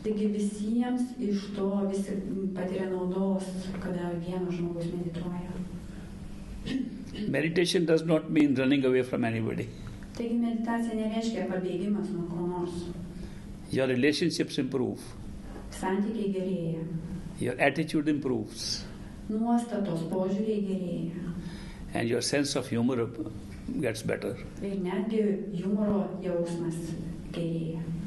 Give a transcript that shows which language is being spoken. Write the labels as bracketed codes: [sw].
[lt] Taigi visiems iš to visi patiria naudos, kada vienas žmogus medituoja. [en] Meditation does not mean running away from anybody. [lt] Taigi meditacija nereiškia pabėgimas nuo ko nors. [en] Your relationships improve. [lt] Santykiai gerėja. [en] Your attitude improves. [lt] Nuostatos, požiūriai gerėja. [en] And your sense of humor gets better. [lt] Ir netgi humoro jausmas gerėja.